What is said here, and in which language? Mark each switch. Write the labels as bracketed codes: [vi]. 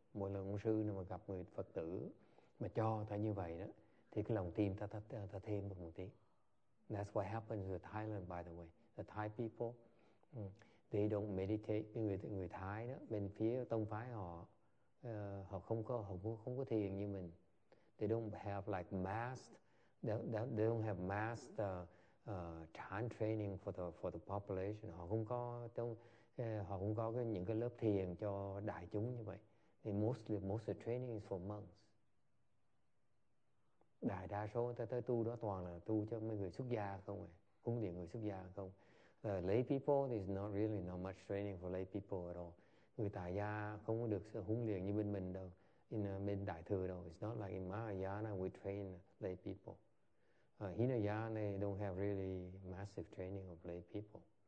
[vi] Mỗi lần ông sư nào mà gặp người Phật tử mà cho ta như vậy đó, thì cái lòng tin ta thêm được một tí. [en] That's what happens with Thailand, by the way. The Thai people, they don't meditate. [vi] Người Thái đó, bên phía tông phái họ, họ không có thiền như mình. [en] They don't have like mass. They don't have mass chant training for the population. [vi] Họ không có cái những cái lớp thiền cho đại chúng như vậy. [en] And most of the training is for monks. [vi] Đại đa số ta tới tu đó toàn là tu cho mấy người xuất gia không à, cúng điện người xuất gia không. [en] Lay people is not much training for lay people at all. [vi] Người tại gia không có được sự huấn luyện như bên mình đâu, bên đại thừa đâu. [en] It's not like in Mahayana we train lay people. Hinayana they don't have really massive training of lay people.